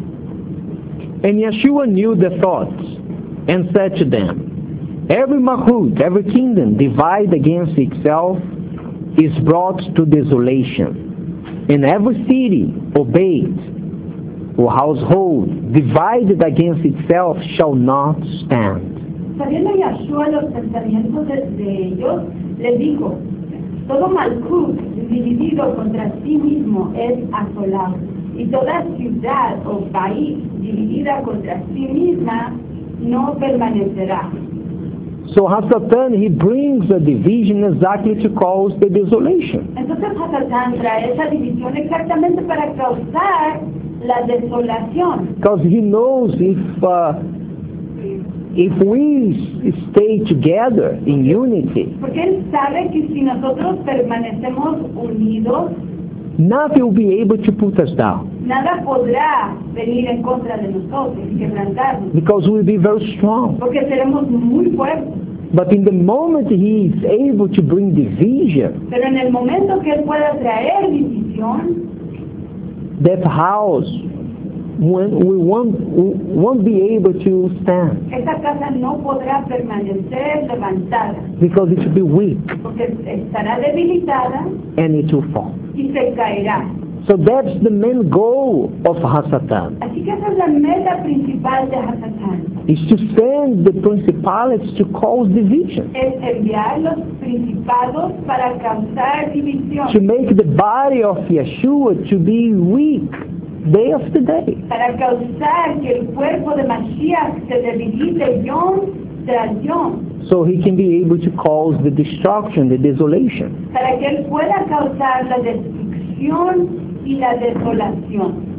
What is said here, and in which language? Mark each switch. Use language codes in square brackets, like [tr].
[en] In verse 25. And Yeshua knew the thoughts and said to them, every mahout, every kingdom divided against itself is brought to desolation, and every city obeyed or household divided against itself shall not stand. [es] Sabiendo Yahshua los pensamientos de ellos, le dijo, todo mahout dividido contra sí mismo es asolado, y toda ciudad o país dividida contra sí misma no permanecerá. [en] So Hasatan, he brings a division exactly to cause the desolation. [es] Entonces Hasatan trae esa división exactamente para causar la desolación. [en] Because he knows if we stay together in unity, [es] porque él sabe que si nosotros permanecemos unidos, [en] nothing will be able to put us down. [es] Nada podrá venir en contra de nosotros, quebrantarnos. [en] Because we will be very strong. [es] Porque seremos muy fuertes. [en] But in the moment he is able to bring division, [es] pero en el momento que él pueda traer división, [en] that house won't be able to stand. [es] Esa casa no podrá permanecer levantada. [en] Because it will be weak. [es] Porque estará debilitada. [en] And it will fall. [es] Y se caerá. [en] So that's the main goal of Hasatan. [es] Así que esa es la meta principal de Hasatan. [en] Is to send the principalities to cause division. [es] Es enviar los principados para causar división. [en] To make the body of Yeshua to be weak day after day. [es] Para causar que el cuerpo de Mashiach se debilite yom tras yom. [en] So he can be able to cause the destruction, the desolation. [es] Para que él pueda causar la destrucción y la desolación.